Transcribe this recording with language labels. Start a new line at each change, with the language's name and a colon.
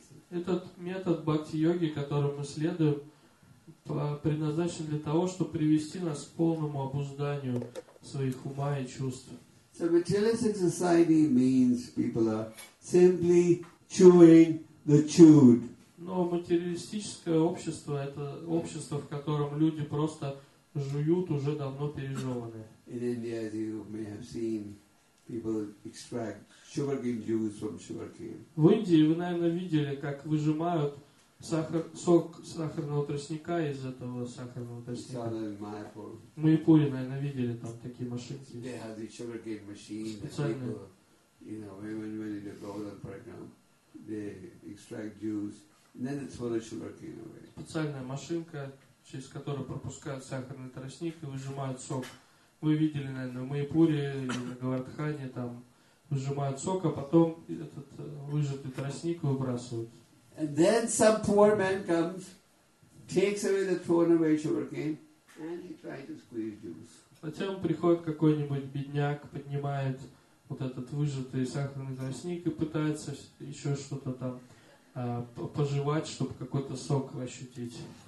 Russian: Этот метод бхакти-йоги, которым мы следуем, предназначен для того, чтобы привести нас к полному обузданию своих ума и чувств.
English: So materialistic society means people are simply chewing the chewed.
Russian: Но материалистическое общество – это общество, в котором люди просто жуют уже давно пережеванное.
English: In India, as you may have seen, people extract sugarcane juice from sugarcane.
Russian: В Индии вы, наверное, видели, как выжимают сок сахарного тростника из этого сахарного тростника. В Майпуре, наверное, видели там такие машинки.
English: They have the sugarcane machine.
Russian: Специальные.
English: People, you know, when they go to the program, they extract juice, and then they throw the sugarcane away.
Russian: Специальная машинка, через которую пропускают сахарный тростник и выжимают сок. Вы видели, наверное, в Майпуре или на Говардхане там выжимают сок, а потом этот выжатый тростник выбрасывают.
English: And then some poor man comes, takes away the thorn of sugarcane, and he tries to squeeze juice.
Russian: Затем приходит какой-нибудь бедняк, поднимает вот этот выжатый сахарный тростник и пытается еще что-то там пожевать, чтобы какой-то сок ощутить.